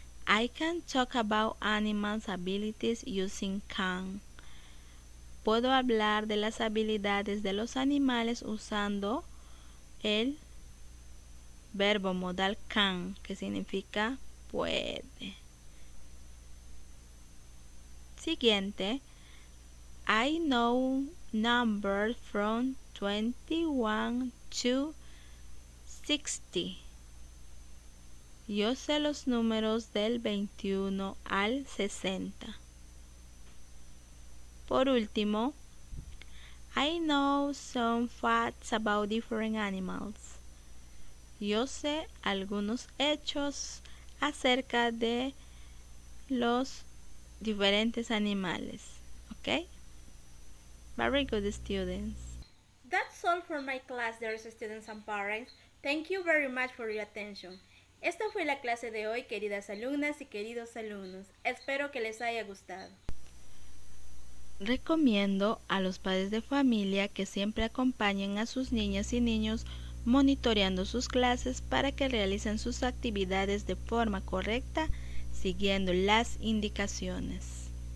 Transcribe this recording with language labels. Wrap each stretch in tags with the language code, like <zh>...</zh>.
<en>I can talk about animals' abilities using can.</en> <es>Puedo hablar de las habilidades de los animales usando el verbo modal can, que significa puede. Siguiente.</es> <en>I know numbers from 21 to 60.</en> <es>Yo sé los números del 21 al 60. Por último,</es> <en>I know some facts about different animals.</en> <es>Yo sé algunos hechos acerca de los diferentes animales.</es> <en>Okay? Very good, students. That's all for my class, dear students and parents. Thank you very much for your attention.</en> <es>Esta fue la clase de hoy, queridas alumnas y queridos alumnos. Espero que les haya gustado. Recomiendo a los padres de familia que siempre acompañen a sus niñas y niños monitoreando sus clases para que realicen sus actividades de forma correcta, siguiendo las indicaciones.</es>